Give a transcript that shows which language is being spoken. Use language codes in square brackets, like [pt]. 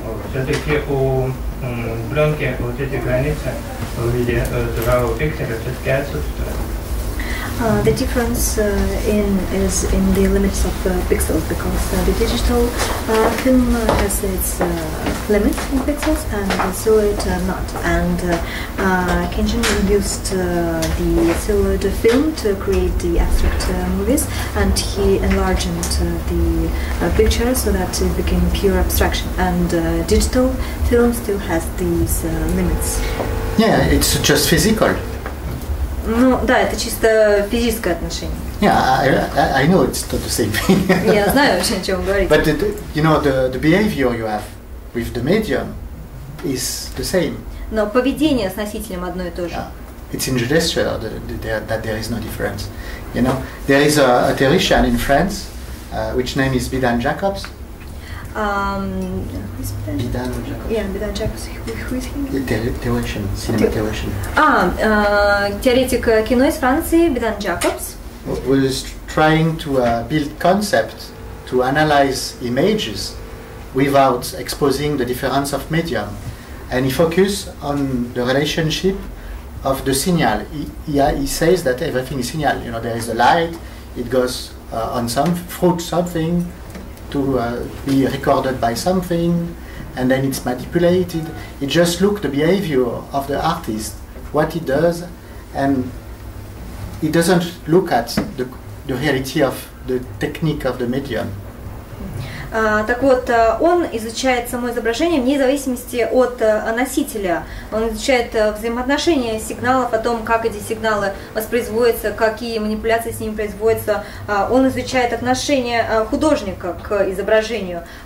[ru] Все-таки у пленки вот эти границы в виде цифрового пикселя все-таки отсутствуют. [en] The difference is in the limits of the pixels, because the digital film has its limits in pixels, and celluloid not. And Kenjin used the celluloid film to create the abstract movies, and he enlarged the picture so that it became pure abstraction. And digital film still has these limits. Yeah, it's just physical. [ru] Ну да, это чисто физическое отношение. [en] Yeah, I know it's not the same thing. [ru] Я знаю вообще, о чем говорить. [en] But the behavior you have with the medium is the same. [ru] Но поведение с носителем одно и то же. [en] Yeah. It's in gesture that there is no difference. You know, there is a theorician in France, which name is Bidan Jacobs. [ru] Теоретик кино из Франции Бидан Джакобс [en] was trying to build concept to analyze images without exposing the difference of medium, and he focused on the relationship of the signal. He says that everything is signal. You know, there is a light, it goes on some through something to be recorded by something, and then it's manipulated. It just look the behavior of the artist, what he does, and it doesn't look at the reality of the technique of the medium. [ru] Так вот, он изучает само изображение вне зависимости от носителя. Он изучает взаимоотношения сигналов, о том, как эти сигналы воспроизводятся, какие манипуляции с ними производятся. Он изучает отношение художника к изображению.